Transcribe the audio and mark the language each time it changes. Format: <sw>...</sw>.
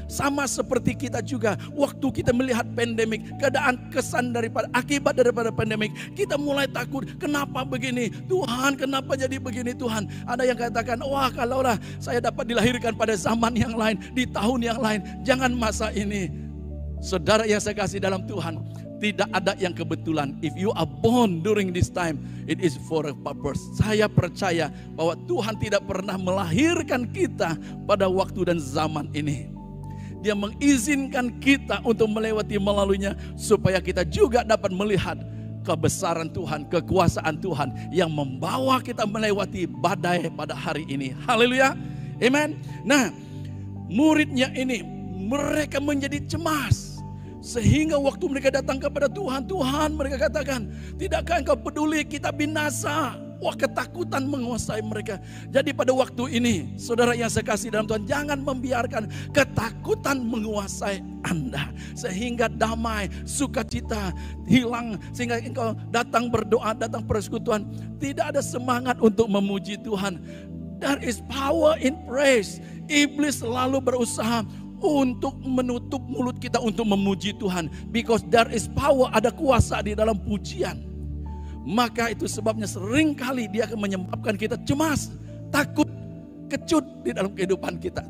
<id>Sama seperti kita juga. Waktu kita melihat pandemik, keadaan kesan daripada, akibat daripada pandemik, kita mulai takut. Kenapa begini? Tuhan, kenapa jadi begini Tuhan? Ada yang katakan, wah kalaulah saya dapat dilahirkan pada zaman yang lain, di tahun yang lain, jangan masa ini. Saudara yang saya kasih dalam Tuhan, tidak ada yang kebetulan.</id> <en>If you are born during this time, it is for a purpose.</en> <id>Saya percaya bahwa Tuhan tidak pernah melahirkan kita pada waktu dan zaman ini. Dia mengizinkan kita untuk melewati melaluinya supaya kita juga dapat melihat kebesaran Tuhan, kekuasaan Tuhan yang membawa kita melewati badai pada hari ini. Haleluya. Amen. Nah, muridnya ini mereka menjadi cemas. Sehingga waktu mereka datang kepada Tuhan, Tuhan mereka katakan, tidakkah Engkau peduli kita binasa? Wah, ketakutan menguasai mereka. Jadi pada waktu ini, saudara yang saya kasih dalam Tuhan, jangan membiarkan ketakutan menguasai Anda. Sehingga damai, sukacita hilang. Sehingga Engkau datang berdoa, datang persekutuan. Tidak ada semangat untuk memuji Tuhan.</id> <en>There is power in praise.</en> <id>Iblis selalu berusaha untuk menutup mulut kita untuk memuji Tuhan.</id> <en>Because there is power,</en> <id>ada kuasa di dalam pujian. Maka itu sebabnya seringkali Dia akan menyebabkan kita cemas, takut, kecut di dalam kehidupan kita.</id>